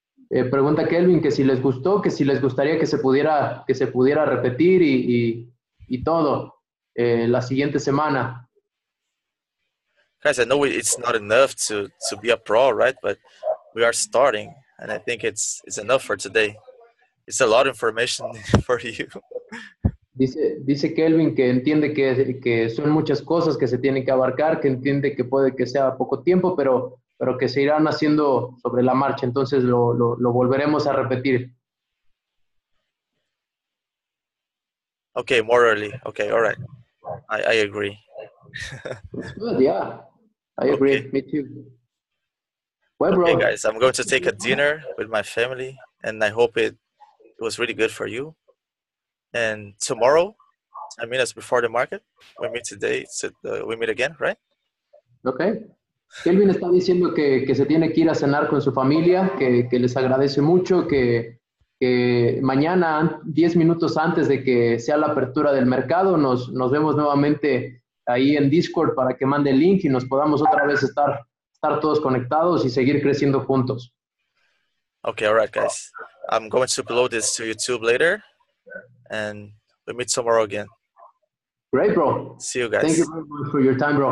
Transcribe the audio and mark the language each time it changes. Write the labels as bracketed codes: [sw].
[es] Pregunta Kelvin que si les gustó, que si les gustaría que se pudiera repetir y todo la siguiente semana. [en] Guys, I know it's not enough to be a pro, right? But we are starting. And I think it's enough for today. It's a lot of information for you. [es] Dice Kelvin que entiende que son muchas cosas que se tienen que abarcar, que entiende que puede que sea poco tiempo, pero que se irán haciendo sobre la marcha. Entonces lo volveremos a repetir. [en] Okay, more early. Okay, all right. I agree. Good, yeah. I agree. Okay. Me too. Well, okay, guys, I'm going to take a dinner with my family, and I hope it was really good for you. And tomorrow, 10 minutes before the market, we meet today. We meet again, right? Okay. [es] Kelvin está diciendo que se tiene que ir a cenar con su familia, que les agradece mucho, que mañana, 10 minutos antes de que sea la apertura del mercado, nos vemos nuevamente ahí en Discord para que mande el link y nos podamos otra vez estar todos conectados y seguir creciendo juntos. [en] Okay, all right, guys. I'm going to upload this to YouTube later and we meet tomorrow again. Great, bro. See you guys. Thank you very much for your time, bro.